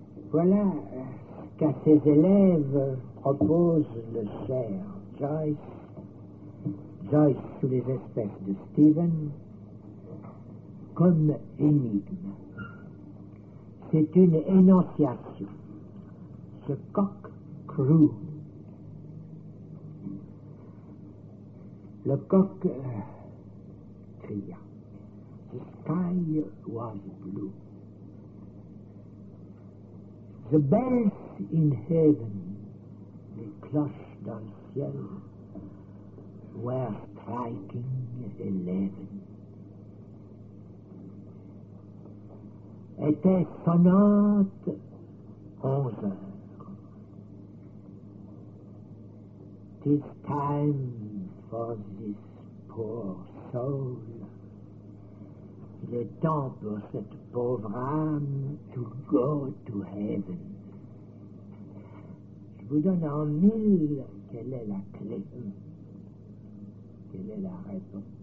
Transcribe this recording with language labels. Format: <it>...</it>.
<fr>Voilà qu'à ses élèves propose le cher Joyce sous les espèces de Stephen, comme énigme. C'est une énonciation, ce coq crew. Le coq cria,</fr> <en>the sky was blue. The bells in heaven,</en> <fr>les cloches dans le ciel,</fr> <en>were striking 11.</en> <fr>Était sonnante 11 heures.</fr> <en>Tis time for this poor soul.</en> <fr>Il est temps pour cette pauvre âme</fr> <en>to go to heaven.</en> <fr>Je vous donne en mille quelle est la clé. Quelle est la réponse?</fr>